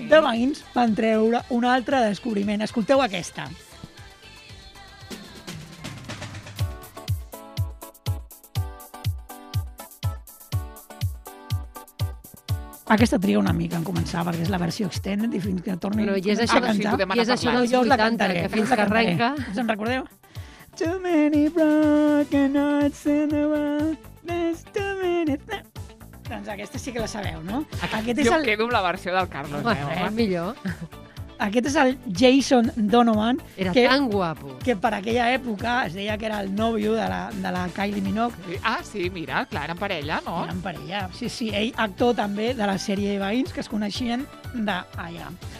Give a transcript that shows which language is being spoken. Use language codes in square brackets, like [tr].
[ca] De Veïns van treure un altre descobriment. Escolteu aquesta. Aquesta tria una mica en començar, perquè és la versió extended, i fins que torni a cantar. Però i és això dels 80, que fins que arrenca. Us en recordeu? [en] Too many broken hearts in the world, there's too many... [ca] Doncs aquesta sí que la sabeu, no? Aquest és el... Jo quedo amb la versió del Carlos. Millor. Aquest és el Jason Donovan. Era que, tan guapo. Que per aquella època es deia que era el nòvio de la Kylie Minogue. Ah, sí, mira, clar, eren parella, no? Eren parella. Sí, sí, ell actor també de la sèrie Veïns, que es coneixien d'allà.